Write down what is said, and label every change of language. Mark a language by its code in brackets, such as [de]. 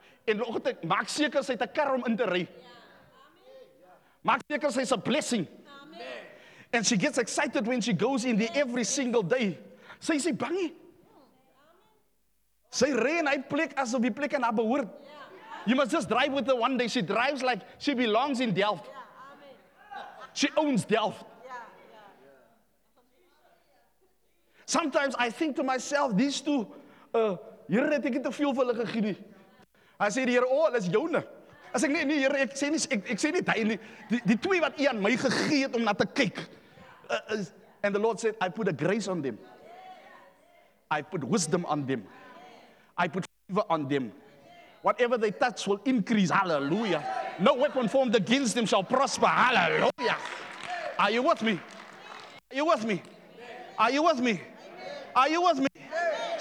[af] En nog het ek, maak seker sy het 'n kar om in te ry. Maak seker sy is [en] a blessing. [af] Amen. [en] And she gets excited when she goes in there every single day. [af] Sy is bang. Sy ry in hy plek asof die plek aan haar behoort. [en] You must just drive with her one day. She drives like she belongs in Delft. She owns Delft. Sometimes I think to myself, these two, Here, [af] het ek nie te veel vir hulle gegee nie. Hy sê die Here, oh, hulle is joune. As ek nee, Here, ek sê nie daai nie. Die twee wat U aan my gegee het om na te kyk. [en] And the Lord said, I put a grace on them. I put wisdom on them. I put favor on them. Whatever they touch will increase. Hallelujah. No weapon formed against them shall prosper. Hallelujah. Are you with me? Are you with me? Are you with me? Are you with me? Amen.